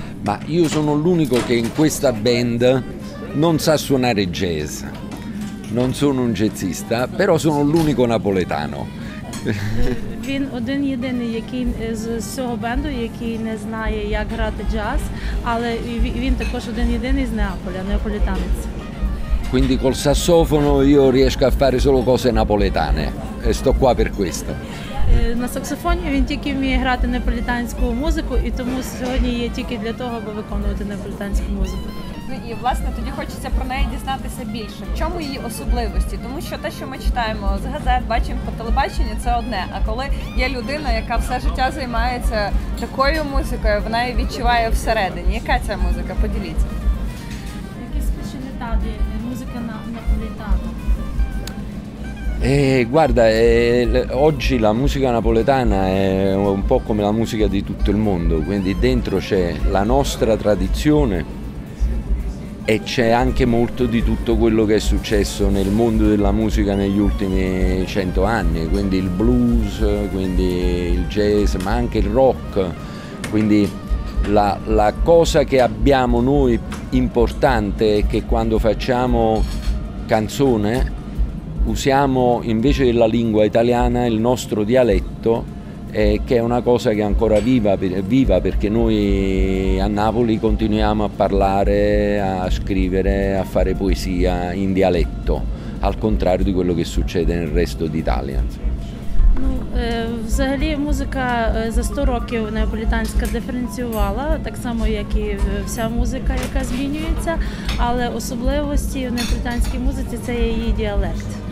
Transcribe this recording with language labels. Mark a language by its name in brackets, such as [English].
[Italian] Ma io sono l'unico che in questa band non sa suonare jazz. Non sono un jazzista, però sono l'unico napoletano. [Ukrainian] Він один єдиний, який з цього бенду, який не знає, як грати джаз, але він також один єдиний з Неаполя, неаполітанець. [Italian] Quindi col sassofono io riesco a fare solo cose napoletane e sto qua per questo. [Ukrainian] На саксофоні він тільки вміє грати неаполітанську музику і тому сьогодні є тільки для того, аби виконувати неаполітанську музику. І, власне, тоді хочеться про неї дізнатися більше. В чому її особливості? Тому що те, що ми читаємо з газет, бачимо по телебаченню, це одне. А коли є людина, яка все життя займається такою музикою, вона її відчуває всередині. Яка ця музика? Поділіться. Якісь спеціальні тади, музика наполітана. [Italian] Guarda, oggi la musica napoletana è un po' come la musica di tutto il mondo, quindi dentro c'è la nostra tradizione e c'è anche molto di tutto quello che è successo nel mondo della musica negli ultimi 100 anni, quindi il blues, quindi il jazz, ma anche il rock. Quindi la cosa che abbiamo noi importante è che quando facciamo canzone usiamo invece della lingua italiana il nostro dialetto, che è una cosa che è ancora viva perché noi a Napoli continuiamo a parlare, a scrivere, a fare poesia in dialetto, al contrario di quello che succede nel resto d'Italia. [Ukrainian] Взагалі музика за 100 років неаполітанська диференціювала, так само як і вся музика, яка змінюється, але особливості в неаполітанській музиці – це її діалект.